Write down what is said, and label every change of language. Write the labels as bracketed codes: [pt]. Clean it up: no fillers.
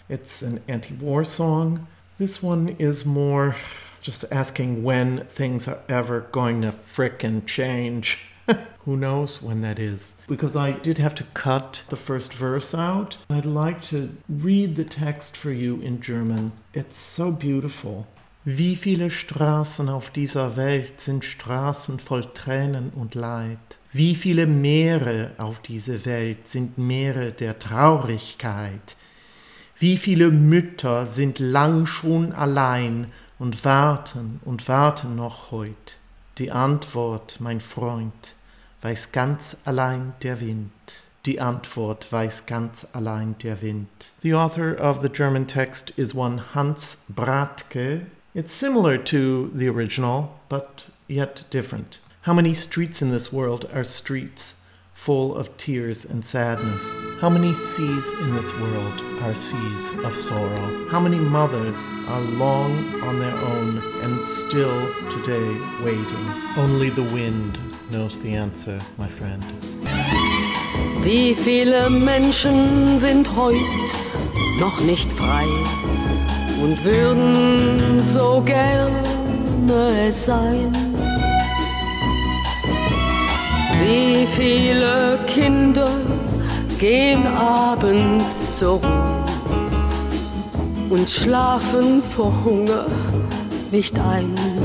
[en] It's an anti-war song. This one is more just asking when things are ever going to frickin' change. Who knows when that is? Because I did have to cut the first verse out. I'd like to read the text for you in German. It's so beautiful. [de] Wie viele Straßen auf dieser Welt sind Straßen voll Tränen und Leid? Wie viele Meere auf dieser Welt sind Meere der Traurigkeit? Wie viele Mütter sind lang schon allein und warten noch heut? Die Antwort, mein Freund, weiß ganz allein der Wind. Die Antwort weiß ganz allein der Wind. [en] The author of the German text is one Hans Bratke. It's similar to the original, but yet different. How many streets in this world are streets full of tears and sadness? How many seas in this world are seas of sorrow? How many mothers are long on their own and still today waiting? Only the wind knows the answer, my friend. [de] Wie viele Menschen sind heute noch nicht frei und würden so gerne es sein? Wie viele Kinder gehen abends zur Ruhe und schlafen vor Hunger nicht ein?